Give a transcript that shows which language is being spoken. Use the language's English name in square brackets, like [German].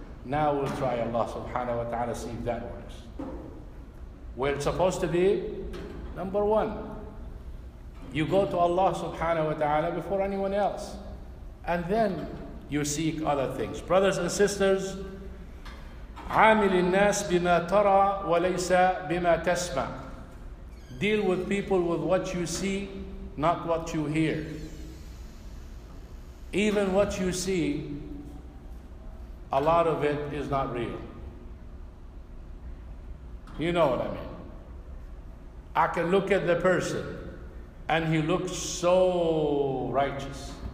[English] Now we'll try Allah subhanahu wa ta'ala, see if that works. Where it's supposed to be, number one, you go to Allah subhanahu wa ta'ala before anyone else. And then you seek other things. Brothers and sisters, [Arabic] عامل الناس بما ترى وليس بما تسمع. [English] Deal with people with what you see, not what you hear. Even what you see, a lot of it is not real. You know what I mean. I can look at the person, and he looks so righteous.